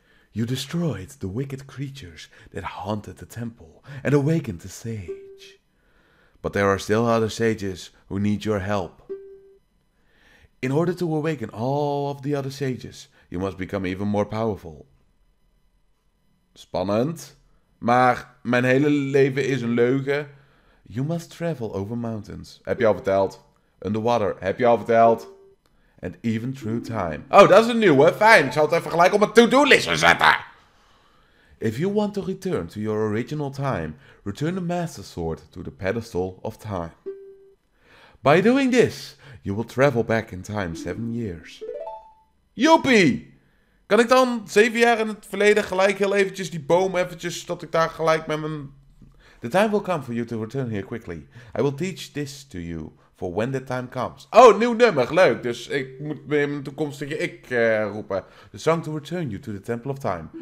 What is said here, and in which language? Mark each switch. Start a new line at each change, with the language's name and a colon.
English: You destroyed the wicked creatures that haunted the temple and awakened the sage. But there are still other sages who need your help. In order to awaken all of the other sages, you must become even more powerful.
Dutch: Spannend. Maar mijn hele leven is een leugen.
English: You must travel over mountains.
Dutch: Heb je al verteld?
English: Underwater. Heb je al verteld? And even through time.
Dutch: Oh, dat is een nieuwe. Fijn. Ik zal het even gelijk op mijn to-do list zetten.
English: If you want to return to your original time, return the Master Sword to the pedestal of time. By doing this, you will travel back in time 7 years.
Dutch: Joepie! Kan ik dan 7 jaar in het verleden gelijk heel eventjes die boom eventjes, dat ik daar gelijk met mijn...
English: The time will come for you to return here quickly. I will teach this to you for when the time comes.
Dutch: Oh, nieuw nummer, leuk. Dus ik moet weer mijn toekomstige ik roepen.
English: The song to return you to the temple of time.